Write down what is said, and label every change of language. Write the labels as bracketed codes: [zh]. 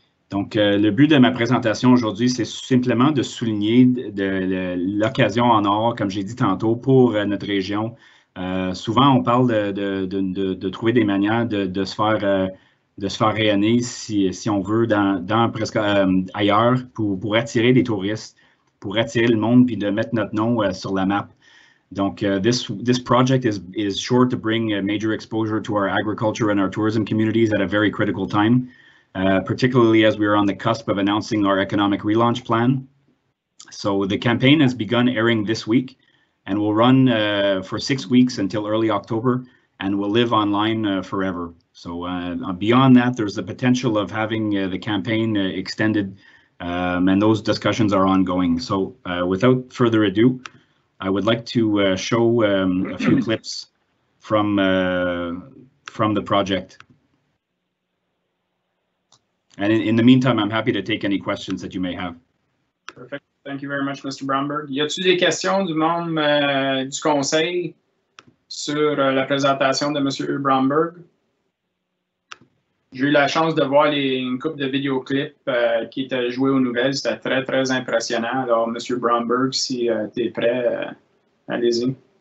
[fr] Donc, le but de ma présentation aujourd'hui, c'est simplement de souligner l'occasion en or, comme j'ai dit tantôt, pour notre région. Souvent, on parle de trouver des manières de se faire rayonner, si on veut, ailleurs, pour attirer des touristes, pour attirer le monde, puis de mettre notre nom sur la map. [en] Donc, this project is sure to bring a major exposure to our agriculture and our tourism communities at a very critical time, particularly as we are on the cusp of announcing our economic relaunch plan. So the campaign has begun airing this week and will run for 6 weeks until early October and will live online forever. So beyond that, there's the potential of having the campaign extended, and those discussions are ongoing. So without further ado, I would like to show a few clips from the project. And in the meantime, I'm happy to take any questions that you may have. Perfect. Thank you very much, Mr. Bromberg. [fr] Y a-t-il des questions du membre du conseil sur la présentation de Monsieur Bromberg? J'ai eu la chance de voir une couple de vidéoclips qui étaient joués aux nouvelles. C'était très, très impressionnant. Alors, M. Bromberg, si tu es prêt, allez-y.